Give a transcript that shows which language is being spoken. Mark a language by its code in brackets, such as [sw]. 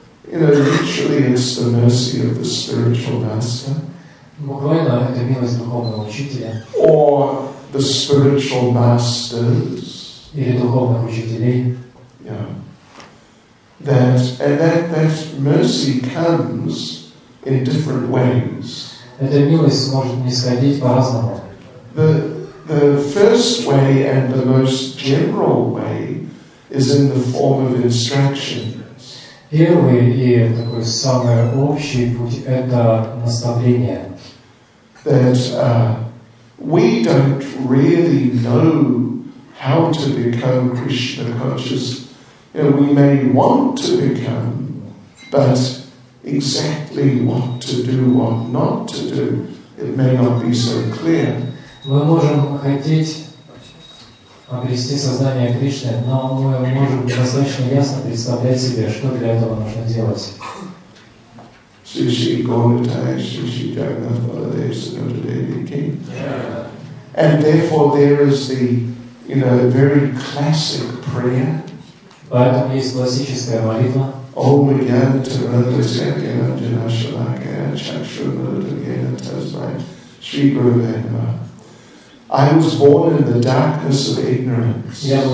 [en] You know, literally it's the mercy of the spiritual master. [ru] Буквально это милость духовного учителя. [en] Or the spiritual masters. [ru] Или духовных учителей. [en] Yeah. That, and that mercy comes in different ways. [ru] Эта милость может нисходить по-разному. [en] The first way and the most general way is in the form of instructions. [ru] Первый и такой самый общий путь – это наставление. [en] That we don't really know how to become Krishna conscious. You know, we may want to become, but exactly what to do, what not to do, it may not be so clear. [ru] Мы можем хотеть обрести сознание Кришны, но мы можем достаточно ясно представлять себе, что для этого нужно делать. [sa] Шри Гонатай, Шри Джагнат Баладев, Сенатадеви Кинг. [en] And therefore there is the, you know, very classic prayer. [ru] Поэтому есть классическая молитва. [sa] Ом Гьян Таранта Сякьян Аджина Шалакая Чакшу Мадагена Тазвай Шри Гурвенма. [en] I was born in the darkness of ignorance.